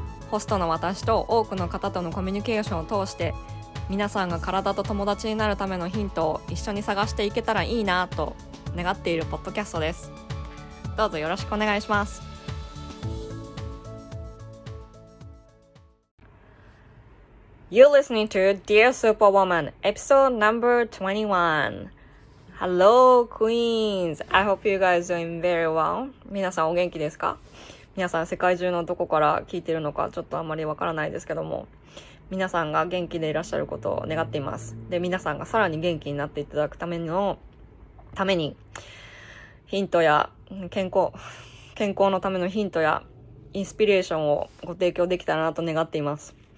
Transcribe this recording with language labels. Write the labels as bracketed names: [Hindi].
[Japanese] ホストの私と多くの方とのコミュニケーションを通して、皆さんが体と友達になるためのヒントを一緒に探していけたらいいなと願っているポッドキャストです。どうぞよろしくお願いします。 [English] You're listening to Dear Superwoman, episode number 21. Hello, Queens! I hope you guys are doing very well. [Japanese] 皆さんお元気ですか？皆さん世界中のどこから聞いてるのかちょっとあまりわからないですけども、皆さんが元気でいらっしゃることを願っています。で、皆さんがさらに元気になっていただくためにヒントや健康のためのヒントやインスピレーションをご提供できたらなと願っています。